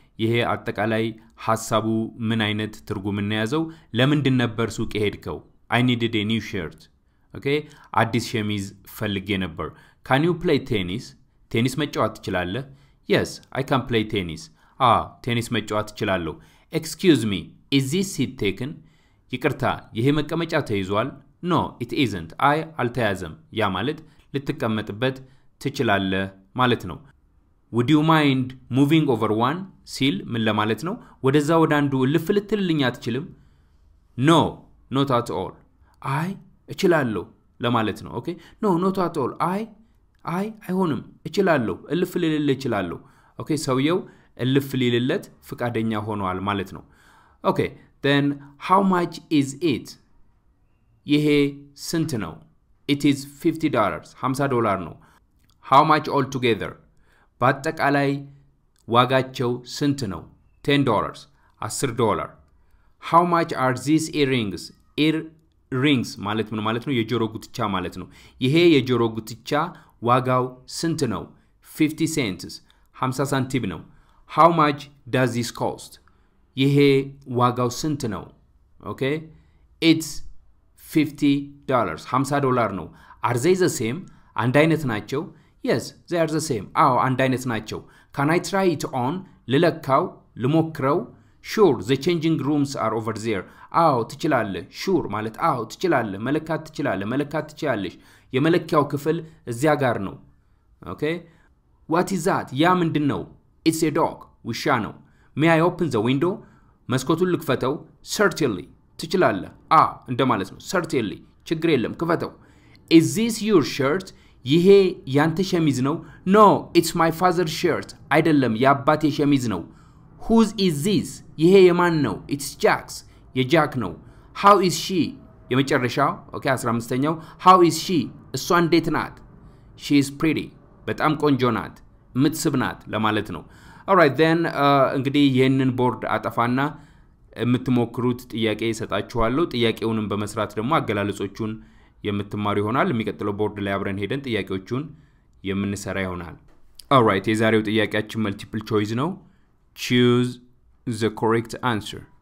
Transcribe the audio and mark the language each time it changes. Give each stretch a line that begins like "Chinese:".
Amharic: ይሄ አጠቃላይ ሐሳቡ ምን አይነት ትርጉም እናያዘው? ለምን እንደነበር ሱቅ ሄድከው?
English: I needed a new shirt. Okay?
Amharic: አዲስ ሸሚዝ ፈልጌ ነበር.
English: Can you play tennis?
Amharic: ቴኒስ መጫወት ትችላለህ?
English: Yes, I can play tennis.
Amharic: Ah, tennis መጫወት እችላለሁ.
English: Excuse me, is this seat taken?
Amharic: ይቅርታ, ይሄ መቀመጫ ተይዟል?
English: No, it isn't. I
Amharic: አልተያዘም. ያ ማለት ልትቀመጥበት ትችላለህ ማለት ነው.
English: Would you mind moving over one?
Amharic: ሲል ምን ለማለት ነው? ወደዛ ወደ አንዱ ልፍልትልኝ አትችልም?
English: No, not at all. I እችላለሁ ለማለት ነው. Okay? No, not at all.
Amharic: I አይሆንም. እችላለሁ. ልፍልልልህ እችላለሁ. Okay, ሰውየው ልፍልልለት ፍቃደኛ ሆኗል ማለት ነው.
English: Okay. Then how much is it?
Amharic: ይሄ ስንት ነው?
English: It is $50. $50 ነው. How much altogether?
Amharic: በአጠቃላይ ዋጋቸው ስንት ነው?
English: $10. $10. How much are these earrings?
Amharic: ear rings ማለት ምን ማለት ነው? የጆሮ ጉትቻ ማለት ነው። ይሄ የጆሮ ጉትቻ ዋጋው ስንት ነው?
English: 50 cents
Amharic: 50 ሳንቲም ነው።
English: How much does this cost?
Amharic: ይሄ ዋጋው ስንት ነው? Okay?
English: It's $50.
Amharic: 50 ዶላር ነው።
English: Are they the same?
Amharic: አንድ አይነት ናቸው?
English: Yes, they are the same.
Amharic: አዎ አንድ አይነት ናቸው። Can I try it on? ልለካው? ልሞክረው?
English: Sure, the changing rooms are over there.
Amharic: አዎ ትችላለህ።
English: Sure
Amharic: ማለት አዎ ትችላለህ፣ መለካት ትችላለህ፣ መለካት ትችላለሽ። የመለኪያው ክፍል እዚያ ጋር ነው። Okay?
English: What is that?
Amharic: ያ ምንድን ነው?
English: It's a dog.
Amharic: ውሻ ነው።
English: May I open the window?
Amharic: መስኮቱን ልክፈተው?
English: Certainly.
Amharic: ትችላለህ? አዎ እንደማለት ነው። Certainly. ችግር የለም ክፈተው።
English: Is this your shirt? ይሄ ያንተ ሸሚዝ ነው? No, it's my father's shirt.
Amharic: አይደለም የአባቴ ሸሚዝ ነው።
English: Who's is this?
Amharic: ይሄ የማን ነው?
English: It's Jack's. የጃክ ነው። How is she?
Amharic: የመጨረሻው okay 15ኛው
English: How is she?
Amharic: እሷ እንዴት ናት?
English: She is pretty.
Amharic: በጣም ቆንጆ ናት፣ ምትስብ ናት ለማለት ነው።
English: All right then
Amharic: እንግዲህ ይሄንን ቦርድ አጠፋና የምትሞክሩት ጥያቄ እየሰጣችኋለሁ። ጥያቄውንም በመስራት ደግሞ አገላለጾቹን የምትማሩ ይሆናል። የሚቀጥለው ቦርድ ላይ አብረን ሄደን ጥያቄዎቹን የምንሰራ ይሆናል። All right የዛሬው ጥያቄያችን multiple choice ነው።
English: Choose the correct answer.